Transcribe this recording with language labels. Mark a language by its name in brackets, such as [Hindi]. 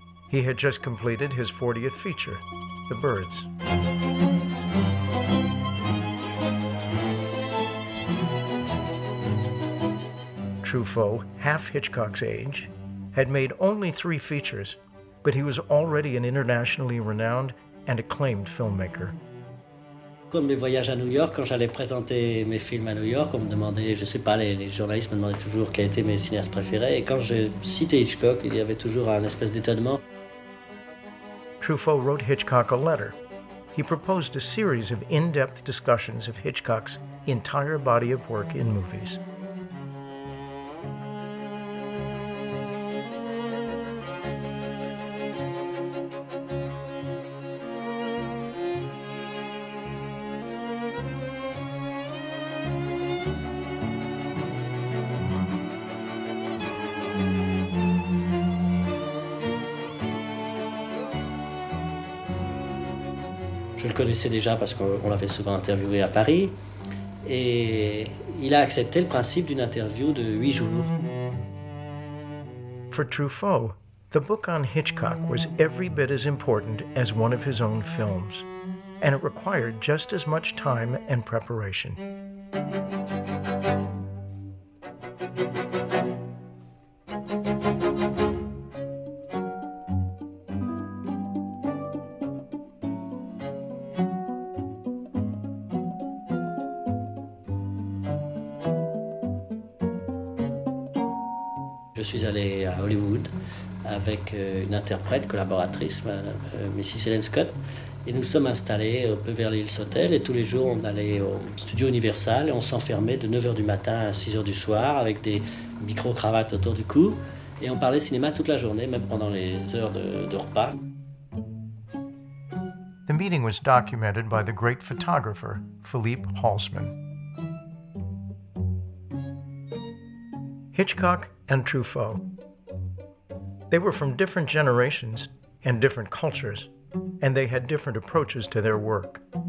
[English] He had just completed his 40th feature, The Birds. Truffaut, half Hitchcock's age, had made only three features, but he was already an internationally renowned and acclaimed filmmaker. [French] Comme mes voyages à New York, quand j'allais présenter mes films à New York, on me demandait, je sais pas, les journalistes me demandaient toujours quels étaient mes cinéastes préférés, et quand je citais Hitchcock, il y avait toujours un espèce d'étonnement. [English] Truffaut wrote Hitchcock a letter. He proposed a series of in-depth discussions of Hitchcock's entire body of work in movies. Thank you. [French] je le connaissais déjà parce qu'on l'avait souvent interviewé à Paris. Et il a accepté le principe d'une interview de 8 jours. [English] For Truffaut, the book on Hitchcock was every bit as important as one of his own films, and it required just as much time and preparation. [French] Je suis allé à Hollywood avec une interprète collaboratrice, Mrs. Helen Scott, et nous sommes installés au Beverly Hills Hotel, et tous les jours on allait au studio Universal et on s'enfermait de 9h du matin à 6h du soir avec des micro-cravates autour du cou, et on parlait cinéma toute la journée, même pendant les heures de repas. [English] The meeting was documented by the great photographer Philippe Halsman. Hitchcock and Truffaut. They were from different generations and different cultures, and they had different approaches to their work.